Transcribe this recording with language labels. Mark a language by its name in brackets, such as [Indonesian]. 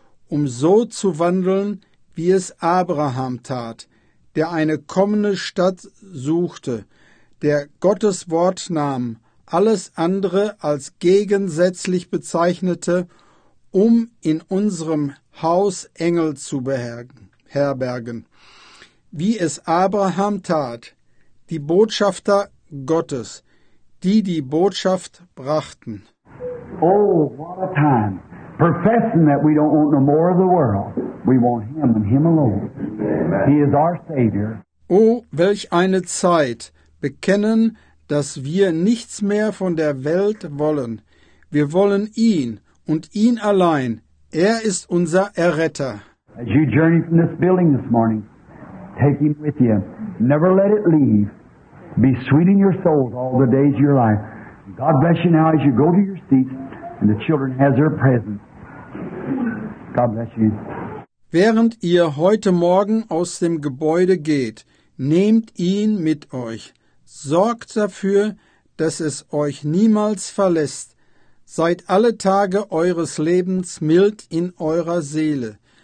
[German] um so zu wandeln, wie es Abraham tat, der eine kommende Stadt suchte, der Gottes Wort nahm, alles andere als gegensätzlich bezeichnete, um in unserem Haus Engel zu beherbergen. Wie es Abraham tat, die Botschafter Gottes, die die Botschaft brachten. [English] Oh, what a time. Professing that we don't want no more of the world. We want him and him alone. He is our Savior. [German] Oh, welch eine Zeit. Bekennen, dass wir nichts mehr von der Welt wollen. Wir wollen ihn und ihn allein. Er ist unser Erretter. [English] As you journey from this building this morning, take him with you. Never let it leave. Be sweet in your souls all the days of your life. God bless you now as you go to your seats and the children has their presence. God bless you. [German] Während ihr heute Morgen aus dem Gebäude geht, nehmt ihn mit euch. Sorgt dafür, dass es euch niemals verlässt. Seid alle Tage eures Lebens mild in eurer Seele.